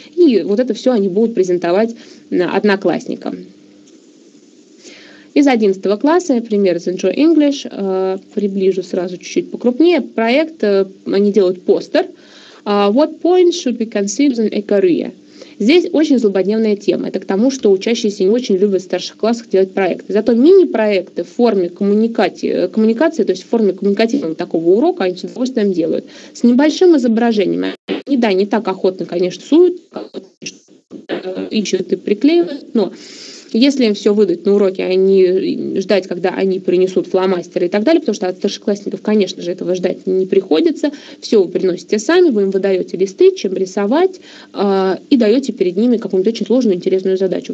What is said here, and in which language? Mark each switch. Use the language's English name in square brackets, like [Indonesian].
[Russian] И вот это все они будут презентовать одноклассникам. Из 11 класса, например, из Enjoy English, приближу сразу чуть-чуть покрупнее, проект, они делают постер. [English] What point should be considered in a career? [Russian] Здесь очень злободневная тема. Это к тому, что учащиеся не очень любят в старших классах делать проекты. Зато мини-проекты в форме коммуникации, то есть в форме коммуникативного такого урока, они с удовольствием делают. С небольшим изображением. Они, да, не так охотно, конечно, суют, ищут и приклеивают, но если им все выдать на уроке, а не ждать, когда они принесут фломастеры и так далее, потому что от старшеклассников, конечно же, этого ждать не приходится, все вы приносите сами, вы им выдаете листы, чем рисовать, и даете перед ними какую-нибудь очень сложную, интересную задачу.